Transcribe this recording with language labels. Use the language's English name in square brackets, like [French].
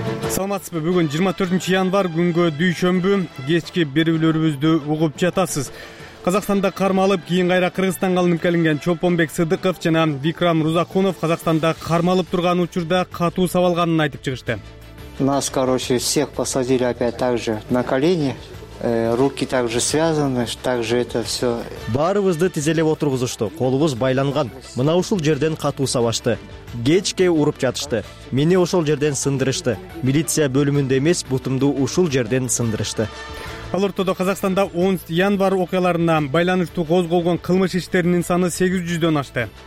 [Kyrgyz] Саламатсызбы, бүгүн 24 январ күнгө дүйшөмбү, кечки берүүлөрүбүздү угуп жатасыз. Казакстанда кармалып, кийин кайра Кыргызстанга алынып келинген Чолпонбек Сыдыков жана Викрам Рузакунов Казакстанда кармалып турган учурда катуу сабалганын айтып чыгышты. [Russian] Нас, короче, всех посадили опять так же на колени. Руки также связаны, также это все. [Kyrgyz] Баарыбызды тизелеп отургузушту, колубуз байланган. Мына ушул жерден катуу сабашты. Кечке уруп жатышты. Мени ошол жерден сындырышты. Милиция бөлүмүндө эмес, бутумду ушул жерден сындырышты. Ал ортодо Казакстанда 10 январ окуяларына байланыштуу козголгон кылмыш иштеринин саны 800-дөн ашты.